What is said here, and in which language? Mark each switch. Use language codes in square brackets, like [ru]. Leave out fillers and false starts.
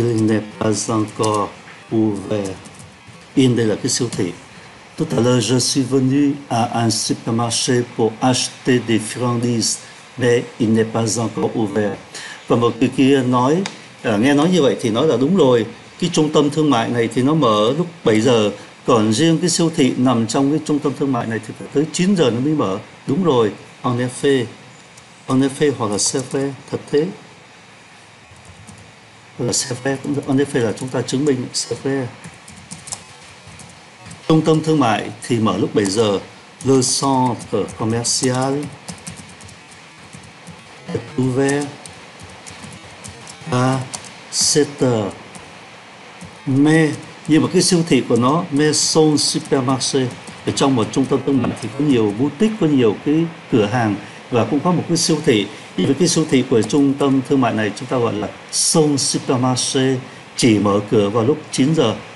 [fr] Mais il n'est pas encore ouvert. [vi] In đây là cái siêu thị. [fr] Tout à l'heure, je suis venu à un supermarché pour acheter des friandises, mais il n'est pas encore ouvert. [vi] Và một người kia nói, nghe nói như vậy thì nói là đúng rồi, cái trung tâm thương mại này thì nó mở lúc 7 giờ, còn riêng cái siêu thị nằm trong cái trung tâm thương mại này thì phải tới 9 giờ nó mới mở. Đúng rồi, [fr] en effet, [vi] hoặc là [fr] c'est vrai, [vi] thật thế. Là [fr] c'est vrai, en effet [vi] là chúng ta chứng minh c'est vrai. Trung tâm thương mại thì mở lúc 7 giờ. [fr] Le centre commercial est ouvert à 7 heures. [vi] Mais, nhưng mà cái siêu thị của nó, [fr] mais son supermarché, [vi] ở trong một trung tâm thương mại thì có nhiều boutique, có nhiều cái cửa hàng và cũng có một cái siêu thị. Nhưng mà cái siêu thị của trung tâm thương mại này chúng ta gọi là [fr] son supermarché, [vi] chỉ mở cửa vào lúc 9 giờ.